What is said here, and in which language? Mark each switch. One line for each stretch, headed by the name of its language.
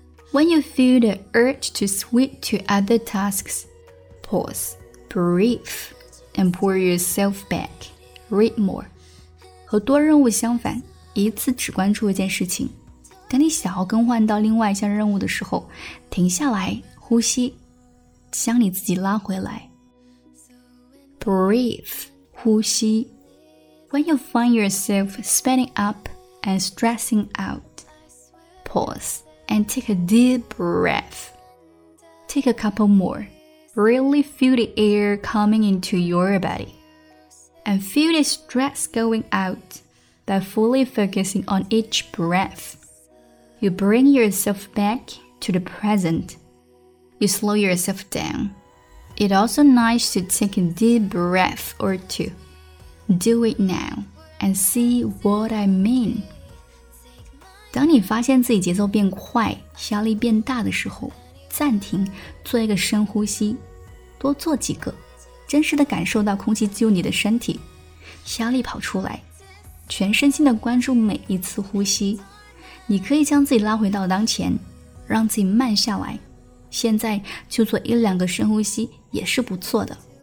English: When you feel the urge to switch to other tasks, pause, breathe, and pull yourself back. Read more.
Chinese: 和多任务相反，一次只关注一件事情。当你想要更换到另外一项任务的时候，停下来，呼吸，将你自己拉回来。
English: Breathe, 呼吸。 When you find yourself spinning up and stressing out, pause and take a deep breath. Take a couple more. Really feel the air coming into your body. And feel the stress going out by fully focusing on each breath. You bring yourself back to the present. You slow yourself down. It's also nice to take a deep breath or two. Do it now and see what I mean.
Chinese: 当你发现自己节奏变快，压力变大的时候，暂停，做一个深呼吸，多做几个，真实的感受到空气进入你的身体，压力跑出来，全身心的关注每一次呼吸，你可以将自己拉回到当前，让自己慢下来，现在就做一两个深呼吸也是不错的。